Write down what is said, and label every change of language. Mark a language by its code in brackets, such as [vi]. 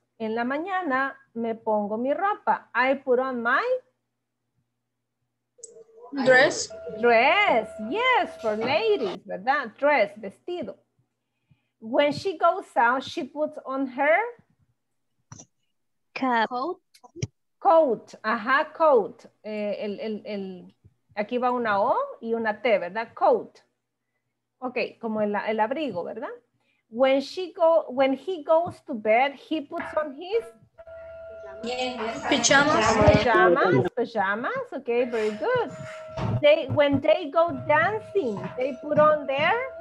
[es] En la mañana, me pongo mi ropa. [en] I put on my dress, yes, for ladies, ¿verdad? Dress, vestido. When she goes out, she puts on her coat. [es] Ajá, coat. Aquí va una O y una T, ¿verdad? Coat. Okay, como el abrigo, ¿verdad? [en] When he goes to bed, he puts on his pajamas. Okay, very good. When they go dancing, they put on their